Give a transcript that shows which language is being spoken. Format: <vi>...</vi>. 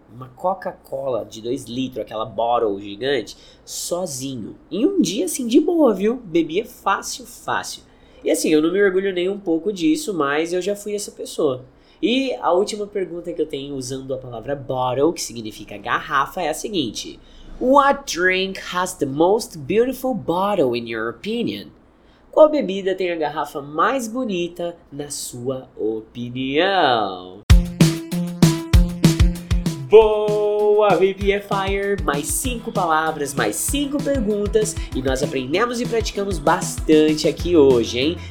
<pt>Uma Coca-Cola de 2 litros, aquela bottle gigante, sozinho. Em um dia, assim, de boa, viu? Bebia fácil, fácil. E assim, eu não me orgulho nem um pouco disso, mas eu já fui essa pessoa. E a última pergunta que eu tenho usando a palavra bottle, que significa garrafa, é a seguinte.</pt> <en>What drink has the most beautiful bottle in your opinion?</en> <pt>Qual bebida tem a garrafa mais bonita na sua opinião? Boa, VPFire! Mais 5 palavras, mais 5 perguntas e nós aprendemos e praticamos bastante aqui hoje, hein?</pt>